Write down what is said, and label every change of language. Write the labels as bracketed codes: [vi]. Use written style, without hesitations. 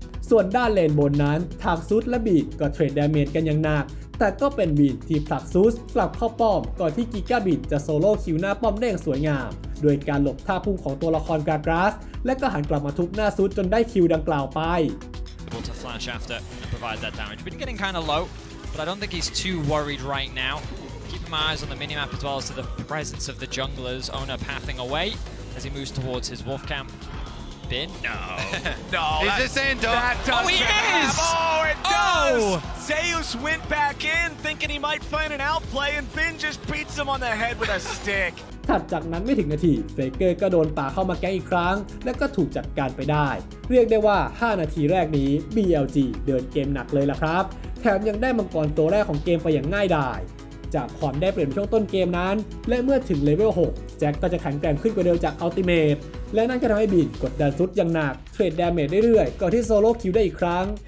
[th] ส่วนด้านเลนบนนั้นทางซูสและบีดก็เทรดดาเมจกันอย่างหนักแต่ก็เป็นบีดที่ผลักซูสกลับเข้าป้อมก่อนที่กิก้าบีดจะโซโล่คิวหน้าป้อมได้อย่างสวยงามด้วยการหลบท่าพุ่งของตัวละครการ์ดราสและก็หันกลับมาทุบหน้าซูสจนได้คิวดังกล่าวไป [en] to flash after and provide that damage. Been getting kind of low, but I don't think he's too worried right now. keep my eyes on the minimap as well as to the presence of the jungler's owner pathing away as he moves towards his wolf camp. Bin? No. No. Is this Ando? Oh, he grab. Is! Oh, it does! Zeus went back in thinking he might find an outplay, and Bin just beats him on the head with a stick. [th] ถัดจากนั้นไม่ถึงนาทีเฟเกอร์ก็โดนป่าเข้ามาแก้อีกครั้งและก็ถูกจัดการไปได้เรียกได้ว่า5นาทีแรกนี้ BLG เดินเกมหนักเลยล่ะครับแถมยังได้มังกรตัวแรกของเกมไปอย่างง่ายดายจากความได้เปรียบช่วงต้นเกมนั้นและเมื่อถึงเลเวล6แจ็คก็จะแข็งแกร่งขึ้นกว่าเดิมจากอัลติเมทและนั่นก็ทำให้บินกดดันสุดอย่างหนักเทรดดาเมจเรื่อยๆก่อนที่โซโล่คิวได้อีกครั้ง